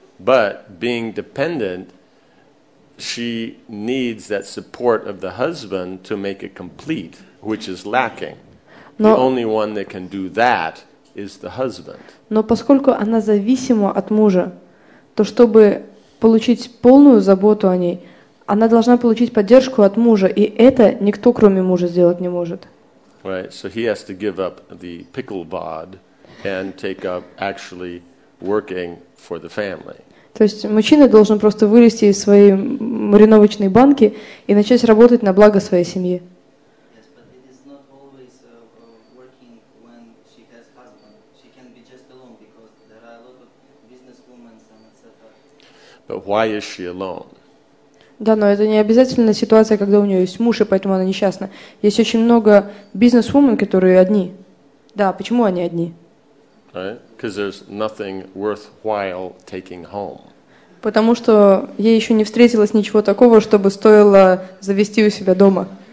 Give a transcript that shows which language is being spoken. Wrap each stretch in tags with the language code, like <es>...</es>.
<en>But being dependent, she needs that support of the husband to make it complete, which is lacking.</en> <ru>Но,</ru> <en>the only one that can do that is the husband.</en> <ru>Но поскольку она зависима от мужа, то чтобы получить полную заботу о ней, она должна получить поддержку от мужа, и это никто, кроме мужа, сделать не может.</ru> <en>Right, so he has to give up the pickle bod and take up actually working for the family.</en> <ru>То есть мужчина должен просто вылезти из своей мариновочной банки и начать работать на благо своей семьи.</ru> <en>Yes, but it is not always working when she has husband. She can be just alone because there are a lot of business women and etc. But why is she alone?</en> <ru>Да, но это не обязательно ситуация, когда у нее есть муж, и поэтому она несчастна. Есть очень много бизнес-вумен, которые одни. Да, почему они одни?</ru> <en>Because there's nothing worthwhile taking home.</en> <ru>Потому что ей еще не встретилось ничего такого, чтобы стоило завести у себя дома.</ru>